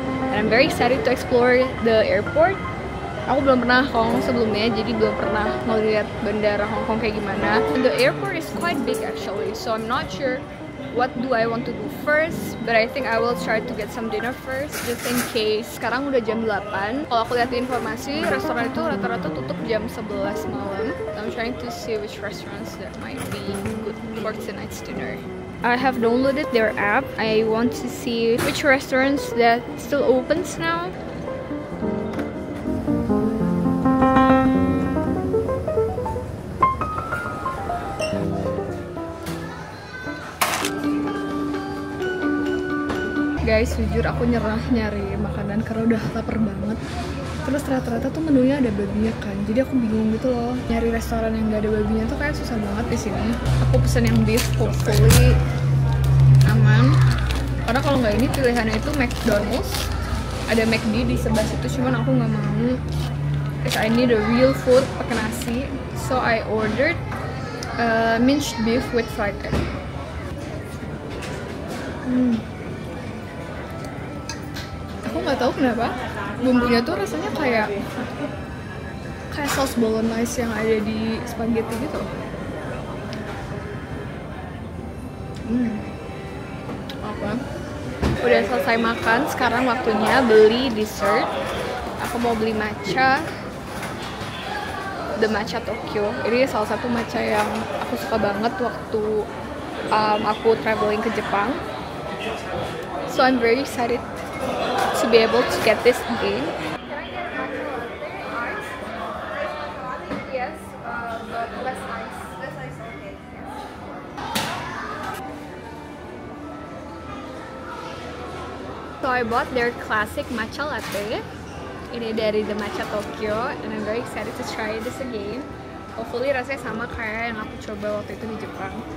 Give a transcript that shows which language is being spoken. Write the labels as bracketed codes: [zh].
[en] And I'm very excited to explore the airport. [id] Aku belum pernah Hong Kong sebelumnya, jadi belum pernah ngeliat bandara Hong Kong kayak gimana. [en] And the airport is quite big actually, so I'm not sure what do I want to do first, but I think I will try to get some dinner first just in case. [id] Sekarang udah jam 8. Kalau aku lihat informasi, restoran itu rata-rata tutup jam 11 malam. [en] I'm trying to see which restaurants that might be good for tonight's dinner. I have downloaded their app. I want to see which restaurants that still opens now. [id] Guys, jujur aku nyerah nyari makanan karena udah lapar banget. Terus rata-rata tuh menunya ada babinya kan. Jadi aku bingung gitu loh. Nyari restoran yang enggak ada babinya tuh kayak susah banget di sini. Aku pesan yang beef, hopefully aman. Karena kalau enggak ini pilihannya itu McDonald's. Ada McD di sebelah situ, cuman aku enggak mau. [en] Cause I need a real food [id] pakai nasi. [en] So I ordered minced beef with fried egg. [id] Aku nggak tahu kenapa bumbunya tuh rasanya kayak saus bolognese yang ada di spaghetti gitu. Apa? Udah selesai makan, sekarang waktunya beli dessert. Aku mau beli matcha, the matcha Tokyo. Ini salah satu matcha yang aku suka banget waktu aku traveling ke Jepang. [en] So I'm very excited to be able to get this again. Can I get a matcha latte? Ice? Yes, but less ice. Less ice, okay. So I bought their classic matcha latte. [id] Ini dari [en] the Matcha Tokyo, and I'm very excited to try this again. [id] hopefully rasanya sama kayak yang aku coba waktu itu di Jepang.